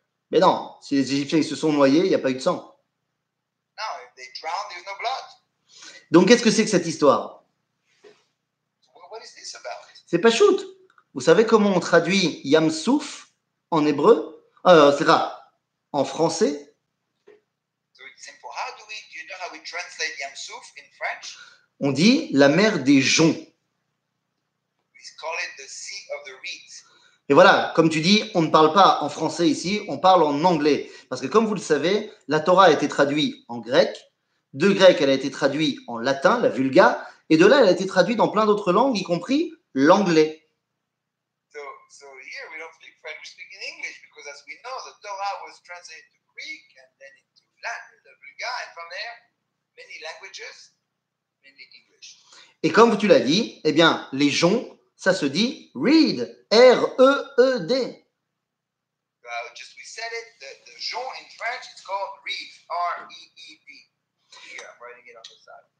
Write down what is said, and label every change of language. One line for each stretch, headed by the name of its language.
French: Mais non, si les Égyptiens ils se sont noyés, il n'y a pas eu de sang.
English: No, if they drowned, there's no blood.
French: Donc qu'est-ce que c'est que cette histoire?
English: What is this about?
French: C'est pas shoot. Vous savez comment on traduit Yam Souf en hébreu? C'est grave. En français?
English: So it's simple. How do we, do you know how we translate Yam Souf in French?
French: On dit la mer des joncs.
English: We call it the sea of the reeds.
French: Et voilà, comme tu dis, on ne parle pas en français ici, on parle en anglais. Parce que comme vous le savez, la Torah a été traduite en grec. De grec, elle a été traduite en latin, la Vulga. Et de là, elle a été traduite dans plein d'autres langues, y compris l'anglais.
English: So here we don't speak French, we speak in English. Because as we know, the Torah was translated to Greek and then into Latin, the Vulga, and from there, many languages, mainly English.
French: Et comme tu l'as dit, eh bien, les joncs, ça se dit reed, R-E-E-D.
English: Just we said it, the jonc in French, it's called reed, R-E-E-D. Here, I'm writing it on the side.